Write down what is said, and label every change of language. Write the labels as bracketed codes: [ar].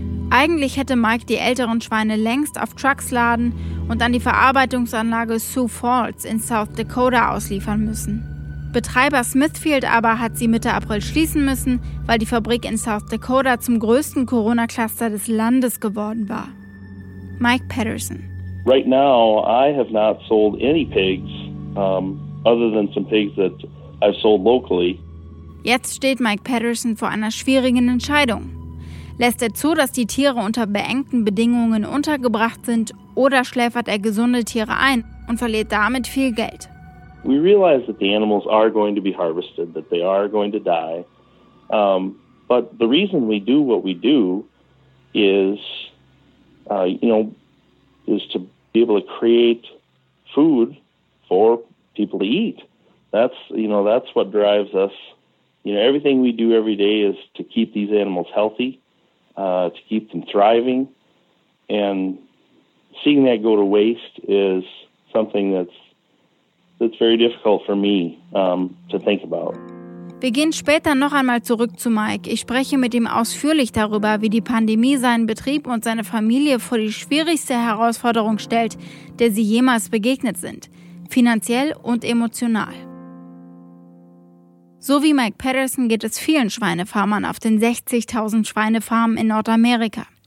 [de] Eigentlich hätte Mike die älteren Schweine längst auf Trucks laden und an die Verarbeitungsanlage Sioux Falls in South Dakota ausliefern müssen. Betreiber Smithfield aber hat sie Mitte April schließen müssen, weil die Fabrik in South Dakota zum größten Corona-Cluster des Landes geworden war. Mike Patterson. [en] Right now, I have not sold any pigs, other than some pigs that I've sold locally. [de] Jetzt steht Mike Patterson vor einer schwierigen Entscheidung. Lässt er zu, dass die Tiere unter beengten Bedingungen untergebracht sind, oder schläfert er gesunde Tiere ein und verliert damit viel Geld? [en] We realize that the animals are going to be harvested, that they are going to die. But the reason we do what we do is, is to be able to create food for people to eat. That's what drives us. You know, everything we do every day is to keep these animals healthy, to keep them thriving. And seeing that go to waste is something that's very difficult for me to think about. [de] Wir gehen später noch einmal zurück zu Mike. Ich spreche mit ihm ausführlich darüber, wie die Pandemie seinen Betrieb und seine Familie vor die schwierigste Herausforderung stellt, der sie jemals begegnet sind, finanziell und emotional. So wie Mike Patterson geht es vielen Schweinefarmern auf den 60.000 Schweinefarmen in Nordamerika.